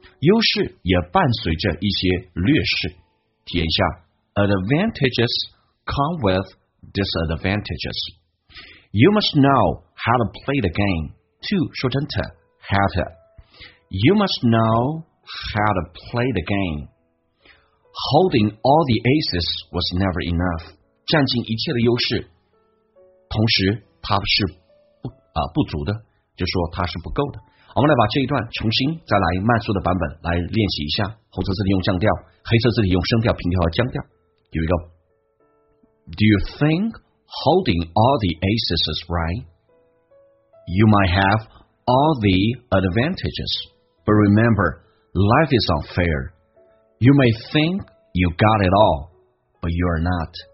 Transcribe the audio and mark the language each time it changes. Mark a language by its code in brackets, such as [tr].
[zh] 优势也伴随着一些劣势体验一下 [en] Advantages come withdisadvantages. You must know how to play the game. To [zh] 说成 [en] to, how to. You must know how to play the game. Holding all the aces was never enough. [zh] 占尽一切的优势，同时它是 不足的，就说它是不够的。我们来把这一段重新再来慢速的版本来练习一下。红色字体用降调，黑色字体用声调、平调和降调。 [en] Here we go. Do you think holding all the aces is right? You might have all the advantages, but remember, life is unfair. You may think you got it all, but you are not.